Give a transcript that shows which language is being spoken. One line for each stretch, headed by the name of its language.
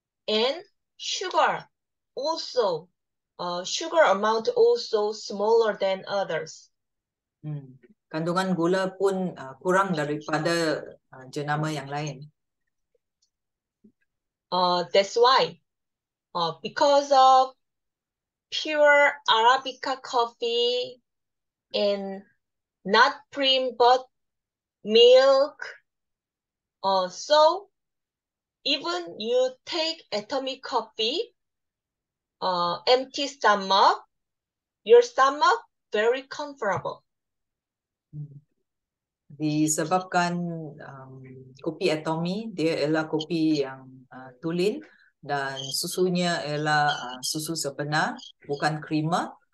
English: And sugar also, sugar amount also smaller than others.
Malay: Kandungan gula pun kurang daripada jenama yang lain.
English: That's why, because of pure Arabica coffee and not cream but milk. So even you take atomic coffee, empty stomach, your stomach very comfortable.
Malay: Disebabkan kopi Atomi, dia ialah kopi yang tulen dan susunya ialah susu sebenar, bukan krima.